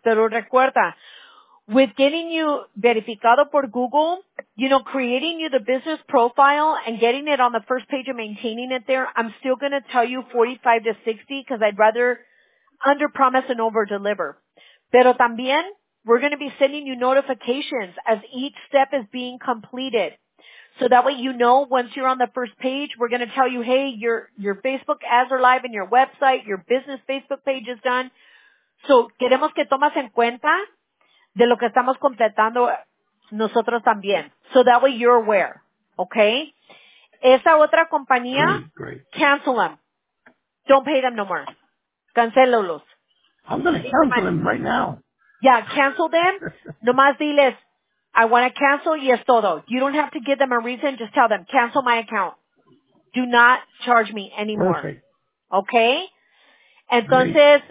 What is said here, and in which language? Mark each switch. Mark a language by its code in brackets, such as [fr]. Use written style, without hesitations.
[es] Pero recuerda, [en] with getting you [es] verificado por Google, [en] you know, creating you the business profile and getting it on the first page and maintaining it there, I'm still going to tell you 45 to 60 because I'd rather under-promise and over-deliver. [es] Pero también, [en] we're going to be sending you notifications as each step is being completed. So that way you know once you're on the first page, we're going to tell you, hey, your Facebook ads are live and your website, your business Facebook page is done. [es] So queremos que tomas en cuenta de lo que estamos completando nosotros también. [en] So that way you're aware, okay? [es] Esa otra compañía, [en] cancel them. Don't pay them no more. [es] Cancelolos. [en] I'm going to cancel them right now. Yeah, cancel them. [es] Nomás diles, [en] I want to cancel, yes, todo. You don't have to give them a reason. Just tell them, cancel my account. Do not charge me anymore. Perfect. Okay? [es] Entonces,